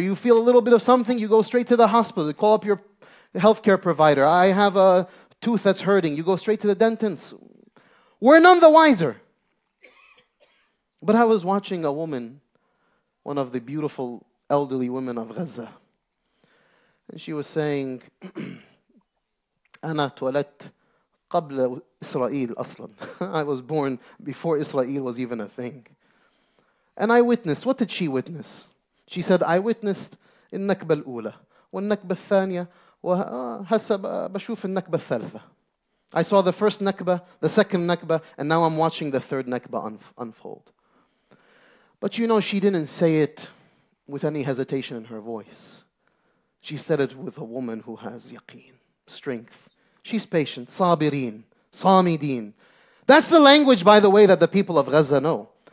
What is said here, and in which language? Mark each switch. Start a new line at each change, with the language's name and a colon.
English: You feel a little bit of something, you go straight to the hospital. You call up your healthcare provider. I have a tooth that's hurting. You go straight to the dentist. We're none the wiser. But I was watching a woman, one of the beautiful elderly women of Gaza.
Arabic: And she was saying, أَنَا تُولَدْتُ قَبْلَ إِسْرَائِيلَ أَصْلًا.
English: I was born before Israel was even a thing. And I witnessed, what did she witness? She said, I witnessed
Arabic: النَّكْبَ الْأُولَى وَالنَّكْبَ الثَّانِيَ وَهَسَّ بَشُوفِ النَّكْبَ الثَّالِثَ.
English: I saw the first نَكْبَ, the second نَكْبَ, and now I'm watching the third نَكْبَ unfold. But you know, she didn't say it with any hesitation in her voice. She said it with a woman who has yaqeen, strength. She's patient, sabirin, samidin. That's the language, by the way, that the people of Gaza know.